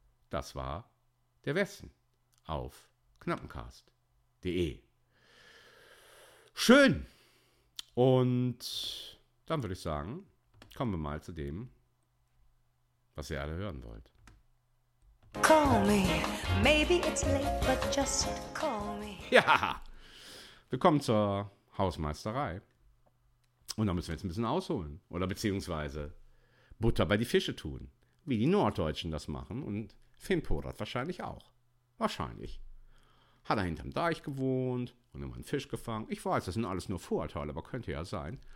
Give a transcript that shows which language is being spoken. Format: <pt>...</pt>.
<de>Das war der Westen auf knappencast.de. Schön. Und dann würde ich sagen, kommen wir mal zu dem, was ihr alle hören wollt.</de> <en>Call me. Maybe it's late, but just call me.</en> <de>Ja, willkommen zur Hausmeisterei. Und da müssen wir jetzt ein bisschen ausholen. Oder beziehungsweise Butter bei die Fische tun. Wie die Norddeutschen das machen. Und Finn Porat wahrscheinlich auch. Wahrscheinlich. Hat er hinterm Deich gewohnt und immer einen Fisch gefangen. Ich weiß, das sind alles nur Vorurteile, aber könnte ja sein.</de>